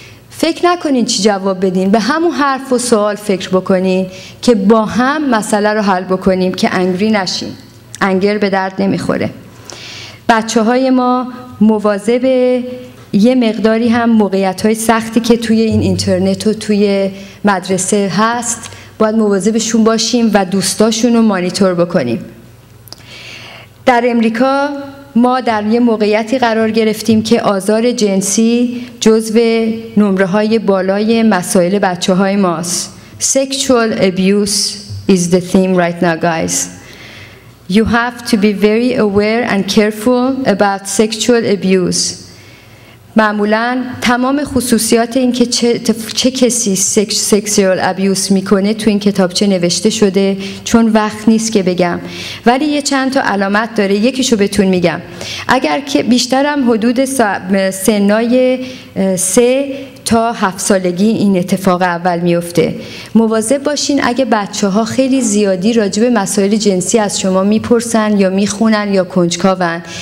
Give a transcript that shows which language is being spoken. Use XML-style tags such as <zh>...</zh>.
<fa>فکر نکنین چی جواب بدین به همون حرف و سوال فکر بکنین که با هم مسئله رو حل بکنیم که angry نشین anger به درد نمیخوره بچه های ما مواظب یه مقداری هم موقعیت های سختی که توی این اینترنت و توی مدرسه هست باید مواظبشون باشیم و دوستاشون رو مانیتور بکنیم. در امریکا ما در یه موقعیتی قرار گرفتیم که آزار جنسی جزو نمره‌های بالای مسائل بچه‌های ماست.</fa> <en>Sexual abuse is the theme right now, guys. You have to be very aware and careful about sexual abuse.</en> <fa>معمولاً تمام خصوصیات این که چه کسی سکسیال ابیوس میکنه تو این کتابچه نوشته شده، چون وقت نیست که بگم، ولی یه چند تا علامت داره، یکیشو بهتون میگم. اگر که بیشترم حدود سنای 3 تا 7 سالگی این اتفاق اول میفته، مواظب باشین اگه بچه‌ها خیلی زیادی راجب مسائل جنسی از شما میپرسن یا میخونن یا کنجکاون</fa>